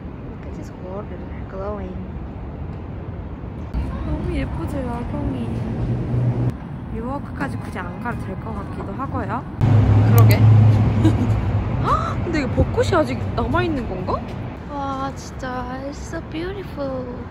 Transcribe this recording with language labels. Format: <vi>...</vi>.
<en>Look at this water glowing.</en> <ko>너무 예쁘죠, 야경이. 뉴워크까지 굳이 안 가도 될 것 같기도 하고요. 그러게. 근데 이게 벚꽃이 아직 남아있는 건가?</ko> <en>와, 진짜 it's so beautiful.</en>